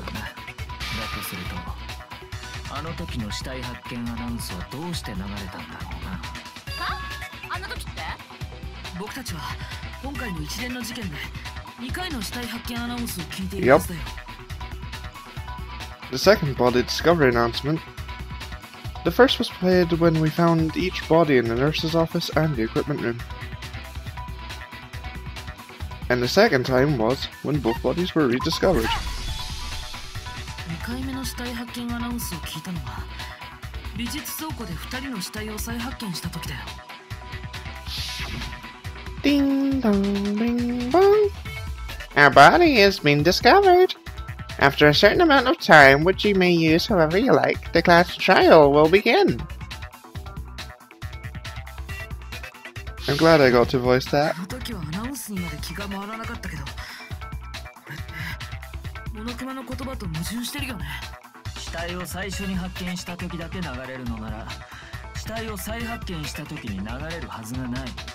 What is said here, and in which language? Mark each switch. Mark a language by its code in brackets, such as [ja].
[ja] だとすると、あの時の死体発見アナウンスはどうして流れたんだろうな。あの時って僕たちは今回の一連の事件で2回の死体発見アナウンスを聞いているはずだよ。 [en] The second body discovery announcement. The first was played when we found each body in the nurse's office and the equipment room. And the second time was when both bodies were rediscovered. [ja] 2回目の死体発見アナウンスを聞いたのは美術倉庫で2人の死体を再発見した時だよ。 [en] Ding dong bing bong. Our body has been discovered. After a certain amount of time, which you may use however you like, the class trial will begin. I'm glad I got to voice that. [ja] あの時はアナウンスにまで気が回らなかったけど、モノクマの言葉と矛盾してるよね。死体を最初に発見した時だけ流れるのなら、死体を再発見した時に流れるはずがない。